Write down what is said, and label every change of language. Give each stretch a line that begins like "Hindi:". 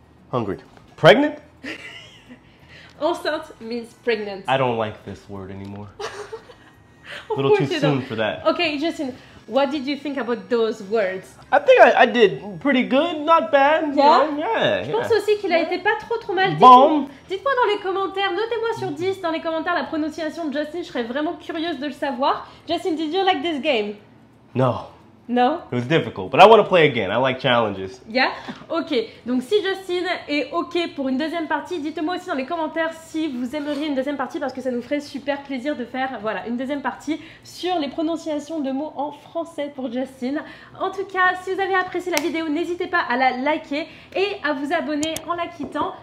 English: Hungry. Pregnant? Enceinte means pregnant. I don't like this word anymore. A little too soon for that. Okay, Justin, what did you think about those words? I think I did pretty good, not bad. Yeah? Yeah.
French: Je pense aussi qu'il a été pas trop mal. Bon. Dites-moi dans les commentaires, notez-moi sur 10 dans les commentaires la prononciation de Justin, je serais vraiment curieuse de le savoir.
English: Justin, did you like this game? No. No? It was difficult, but I want to play again. I like challenges. Yeah? Ok.
French: Donc si Justin est ok pour une deuxième partie, dites-moi aussi dans les commentaires si vous aimeriez une deuxième partie parce que ça nous ferait super plaisir de faire voilà, une deuxième partie sur les prononciations de mots en français pour Justin. En tout cas, si vous avez apprécié la vidéo, n'hésitez pas à la liker et à vous abonner en la quittant.